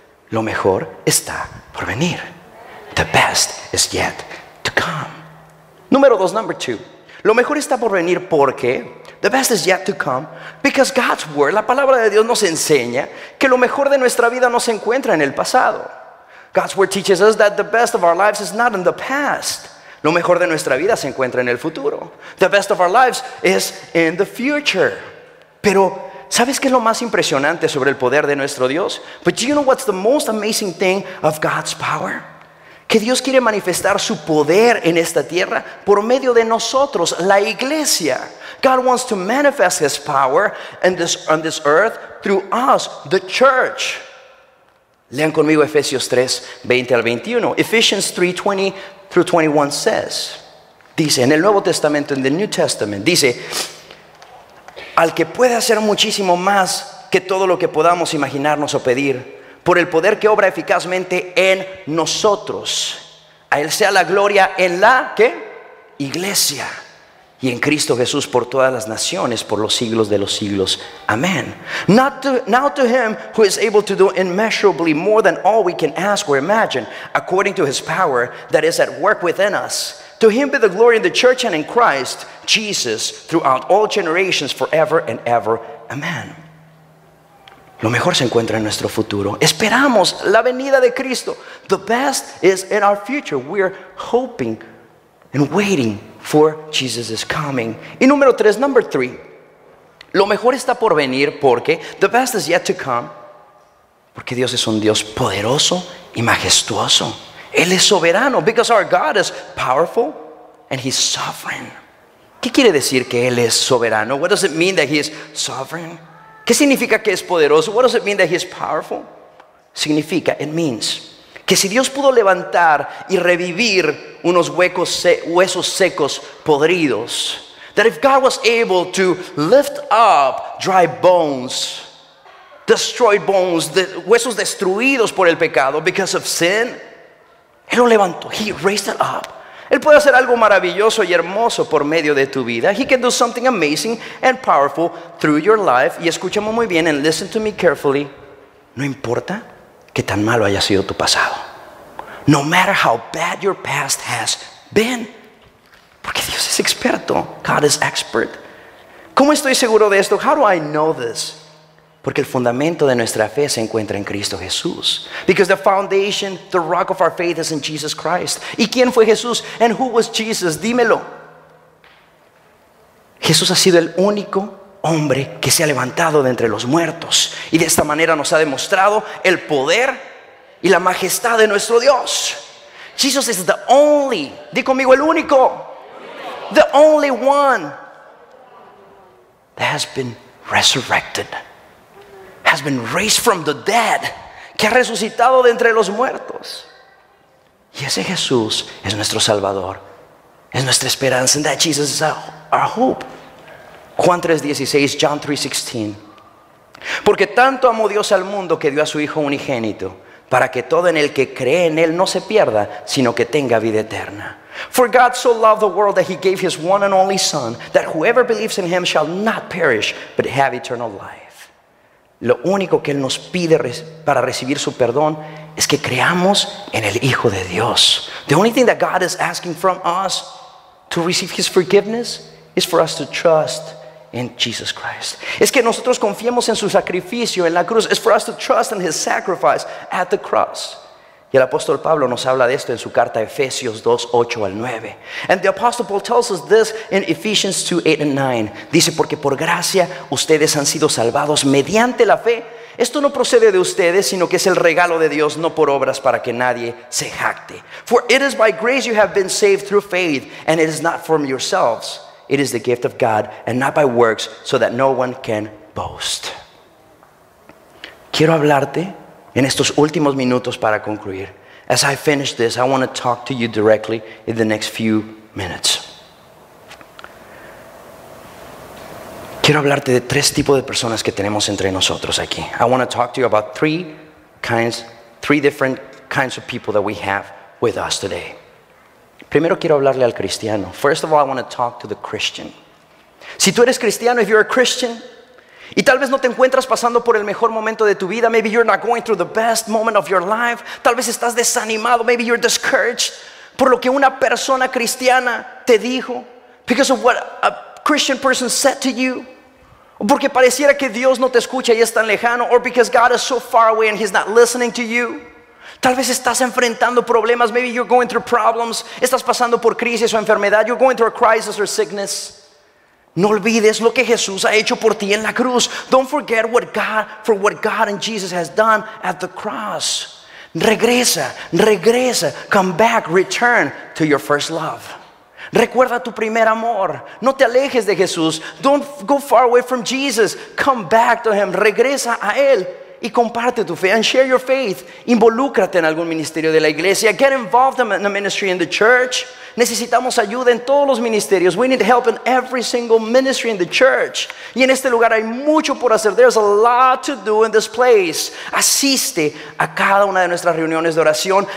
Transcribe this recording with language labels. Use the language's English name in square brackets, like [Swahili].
[Spanish] Lo mejor está por venir. [English] The best is yet to come. [Spanish] Número dos, [English] number two. [Spanish] Lo mejor está por venir porque [English] the best is yet to come because God's word, [Spanish] la palabra de Dios nos enseña que lo mejor de nuestra vida no se encuentra en el pasado. [English] God's word teaches us that the best of our lives is not in the past. [Spanish] Lo mejor de nuestra vida se encuentra en el futuro. [English] The best of our lives is in the future. [Spanish] Pero, ¿sabes qué es lo más impresionante sobre el poder de nuestro Dios? [English] But do you know what's the most amazing thing of God's power? [Spanish] Que Dios quiere manifestar su poder en esta tierra por medio de nosotros, la iglesia. [English] God wants to manifest His power on this earth through us, the church. [Spanish] Lean conmigo Efesios 3, 20 al 21. [English] Ephesians 3, 20 through 21 says, [Spanish] dice, en el Nuevo Testamento, [English] in the New Testament, [Spanish] dice, al que puede hacer muchísimo más que todo lo que podamos imaginarnos o pedir, por el poder que obra eficazmente en nosotros, a Él sea la gloria en la, ¿qué? Iglesia. Y en Cristo Jesús por todas las naciones, por los siglos de los siglos. Amén. [English] Now to Him who is able to do immeasurably more than all we can ask or imagine, according to His power that is at work within us. To Him be the glory in the church and in Christ Jesus throughout all generations, forever and ever. [Spanish] Amén. Lo mejor se encuentra en nuestro futuro. Esperamos la venida de Cristo. [English] The best is in our future. We're hoping and waiting for Jesus is coming. [Spanish] Y número tres, [English] number three. [Spanish] Lo mejor está por venir porque [English] the best is yet to come. [Spanish] Porque Dios es un Dios poderoso y majestuoso. Él es soberano. [English] Because our God is powerful and He's sovereign. [Spanish] ¿Qué quiere decir que Él es soberano? [English] What does it mean that He is sovereign? [Spanish] ¿Qué significa que es poderoso? [English] What does it mean that He is powerful? [Spanish] Significa, [English] it means, [Spanish] que si Dios pudo levantar y revivir unos huesos secos, podridos, [English] that if God was able to lift up dry bones, destroyed bones, [Spanish] huesos destruidos por el pecado, [English] because of sin, [Spanish] Él lo levantó, [English] He raised it up. [Spanish] Él puede hacer algo maravilloso y hermoso por medio de tu vida. [English] He can do something amazing and powerful through your life. [Spanish] Y escúchame muy bien, [English] and listen to me carefully. [Spanish] No importa qué tan malo haya sido tu pasado. [English] No matter how bad your past has been. [Spanish] Porque Dios es experto. [English] God is expert. [Spanish] ¿Cómo estoy seguro de esto? [English] How do I know this? [Spanish] Porque el fundamento de nuestra fe se encuentra en Cristo Jesús. [English] Because the foundation, the rock of our faith is in Jesus Christ. [Spanish] ¿Y quién fue Jesús? [English] And who was Jesus? [Spanish] Dímelo. Jesús ha sido el único hombre que se ha levantado de entre los muertos. Y de esta manera nos ha demostrado el poder y la majestad de nuestro Dios. [English] Jesus is the only, [Spanish] di conmigo, el único. [English] The only one that has been resurrected. Has been raised from the dead, [Spanish] que ha resucitado de entre los muertos. Y ese Jesús es nuestro Salvador, es nuestra esperanza. [English] And that Jesus is our hope. Juan 3:16, John 3:16. [Spanish] Porque tanto amó Dios al mundo que dio a su Hijo unigénito, para que todo en el que cree en Él no se pierda, sino que tenga vida eterna. [English] For God so loved the world that He gave His one and only Son, that whoever believes in Him shall not perish, but have eternal life. [Spanish] Lo único que Él nos pide para recibir su perdón es que creamos en el Hijo de Dios. [English] The only thing that God is asking from us to receive His forgiveness is for us to trust in Jesus Christ. [Spanish] Es que nosotros confiemos en su sacrificio en la cruz. [English] Is for us to trust in His sacrifice at the cross. [Spanish] Y el apóstol Pablo nos habla de esto en su carta a Efesios 2, 8 al 9. [English] And the apostle Paul tells us this in Ephesians 2, 8 and 9. [Spanish] Dice, porque por gracia ustedes han sido salvados mediante la fe. Esto no procede de ustedes, sino que es el regalo de Dios, no por obras para que nadie se jacte. [English] For it is by grace you have been saved through faith, and it is not from yourselves. It is the gift of God, and not by works, so that no one can boast. [Spanish] Quiero hablarte. En estos últimos minutos para concluir. [English] As I finish this, I want to talk to you directly in the next few minutes. [Spanish] Quiero hablarte de tres tipos de personas que tenemos entre nosotros aquí. [English] I want to talk to you about three different kinds of people that we have with us today. [Spanish] Primero quiero hablarle al cristiano. [English] First of all, I want to talk to the Christian. [Spanish] Si tú eres cristiano, [English] if you're a Christian, [Spanish] y tal vez no te encuentras pasando por el mejor momento de tu vida. [English] Maybe you're not going through the best moment of your life. [Spanish] Tal vez estás desanimado. [English] Maybe you're discouraged [Spanish] por lo que una persona cristiana te dijo. [English] Because of what a Christian person said to you. [Spanish] O porque pareciera que Dios no te escucha y es tan lejano. [English] Or because God is so far away and He's not listening to you. [Spanish] Tal vez estás enfrentando problemas. [English] Maybe you're going through problems. [Spanish] Estás pasando por crisis o enfermedad. [English] You're going through a crisis or sickness. [Spanish] No olvides lo que Jesús ha hecho por ti en la cruz. [English] Don't forget what God and Jesus has done at the cross. [Spanish] Regresa. [English] Come back, return to your first love. [Spanish] Recuerda tu primer amor. No te alejes de Jesús. [English] Don't go far away from Jesus. Come back to Him. [Spanish] Regresa a Él y comparte tu fe. [English] And share your faith. [Spanish] Involúcrate en algún ministerio de la iglesia. [English] Get involved in the ministry in the church. [Spanish] Necesitamos ayuda en todos los ministerios. [English] We need help in every single ministry in the church. [Spanish] Y en este lugar hay mucho por hacer. [English] There's a lot to do in this place. [Spanish] Asiste a cada una de nuestras reuniones de oración.